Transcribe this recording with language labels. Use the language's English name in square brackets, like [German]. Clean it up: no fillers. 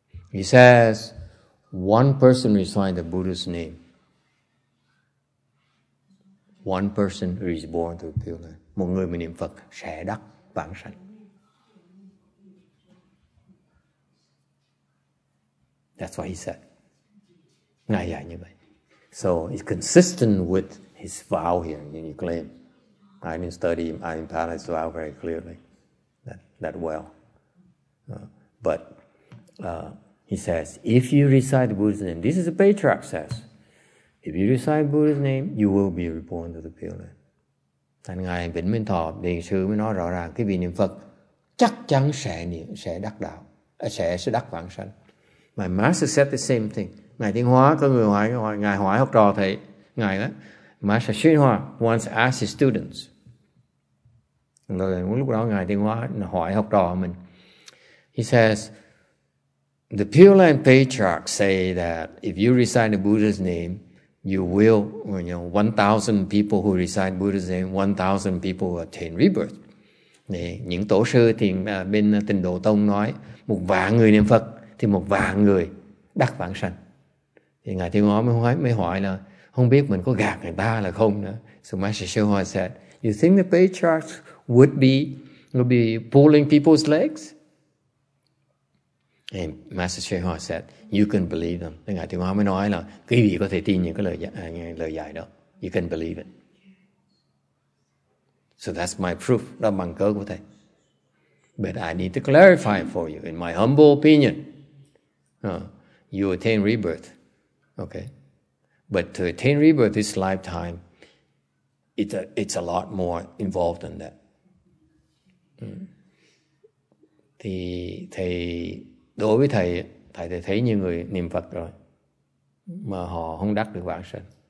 [English] He says, one person recites the Buddha's name. One person who is born to Pure Land, [Vietnamese] một người mà niệm Phật sẽ đắc vãng sanh. [English] That's what he said. [Vietnamese] Ngài dạy như vậy. [English] So it's consistent with his vow here, and he claim. I didn't study Ayurveda's vow very clearly, that well. He says, if you recite the Buddha's name, this is a patriarch says, if you recite Buddha's name, you will be reborn to the Pure Land. [Vietnamese] Thành Ngài Vĩnh Minh Thọ, Điện Sư mới nói rõ ràng, cái vị niệm Phật chắc chắn sẽ đắc đạo, sẽ đắc vãng sanh. [English] My master said the same thing. [Vietnamese] Ngài Thiên Hóa, có người hỏi, Ngài hỏi học trò thầy, Ngài đó, [English] Master Xuyên Hoa once asked his students. [Vietnamese] Lúc đó Ngài Thiên Hóa hỏi học trò mình. [English] He says, the Pure Land patriarchs say that if you recite the Buddha's name, you will, 1,000 people who recite Buddha's name, 1,000 people who attain rebirth. [Vietnamese] Những tổ sư thì bên Tịnh Độ Tông nói, 1,000 người niệm Phật thì 1,000 người đắc vãng sanh. Thì Ngài Thiên Hóa mới hỏi là không biết mình có gạt người ta là không nữa. [English] So Master Xuyên Hoa said, you think the patriarchs would be pulling people's legs? And Master Xuyên Hoa said, you can believe them. [Vietnamese] Thế Ngài Thiên Hóa mới nói là quý vị có thể tin những cái lời dạy đó. [English] You can believe it. So that's my proof. [Vietnamese] Đó bằng cớ của thầy. [English] But I need to clarify for you, in my humble opinion, you attain rebirth. Okay? But to attain rebirth this lifetime, it's a lot more involved than that. [Vietnamese] Thì thầy, đối với thầy, thầy thấy như người niệm Phật rồi, mà họ không đắc được vãng sanh.